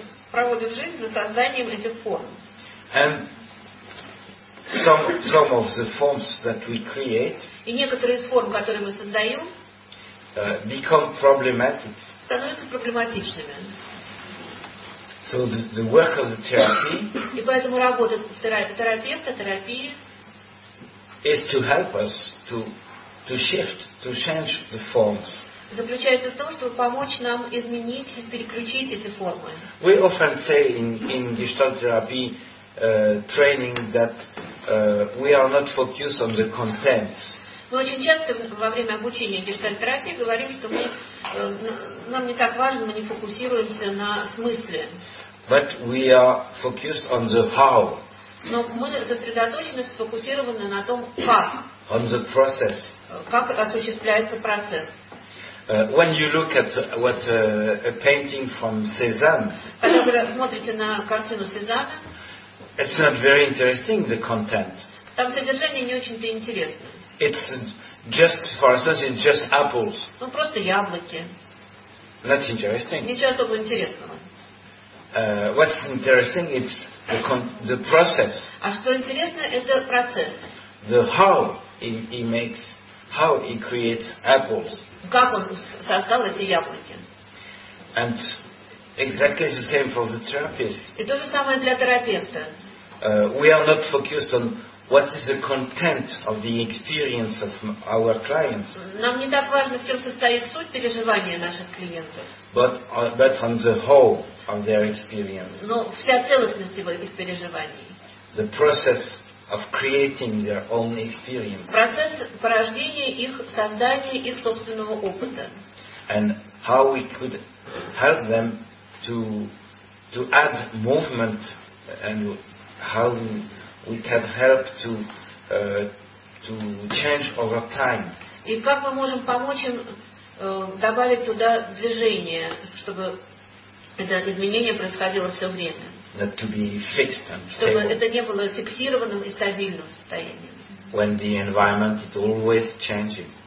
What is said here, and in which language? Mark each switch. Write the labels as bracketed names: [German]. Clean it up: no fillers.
[Russian] Проводит жизнь за созданием этих форм. [English] And some of the forms that we create, [Russian] и некоторые из форм, которые мы создаем, [English] become problematic. [Russian] Становятся проблематичными. [English] So the work of the therapy, [Russian] и поэтому работа терапевта, терапии, [English] is to help us to shift, to change the forms. [Russian] Заключается в том, чтобы помочь нам изменить, переключить эти формы. [English] We often say in Gestalt therapy training that we are not focused on the contents. [Russian] Мы очень часто во время обучения Gestalt терапии говорим, что нам не так важно, мы не фокусируемся на смысле. [English] But we are focused on the how. [Russian] Но мы сосредоточены, сфокусированы на том, как. [English] On the process. [Russian] Как осуществляется процесс. [English] When you look at what a painting from Cézanne. [Russian] Когда вы смотрите на картину Cézanne. [English] It's not very interesting, the content. [Russian] Там содержание не очень-то интересно. [English] It's just, for instance, it's just apples. [Russian] Ну просто яблоки. [English] Not interesting. [Russian] Ничего особо интересного. [English] What's interesting is the process. [Russian] А что интересно, это процесс. [English] The how he makes, how he creates apples. [Russian] Как он создал эти яблоки? [English] And exactly the same for the therapist. [Russian] И то же самое для терапевта. [English] We are not focused on what is the content of the experience of our clients. [Russian] Нам не так важно, в чем состоит суть переживания наших клиентов. [English] But on the whole. Of their experience. [Russian] Но вся целостность его их переживаний. [English] The process of creating their own experience. [Russian] Процесс порождения их создания их собственного опыта. [English] And how we could help them to add movement and how we can help to change over time. [Russian] И как мы можем помочь им добавить туда движение, чтобы это изменение происходило все время. [English] That to be fixed and stable. [Russian] Чтобы это не было фиксированным и стабильным состоянием. [English] When the environment is always changing.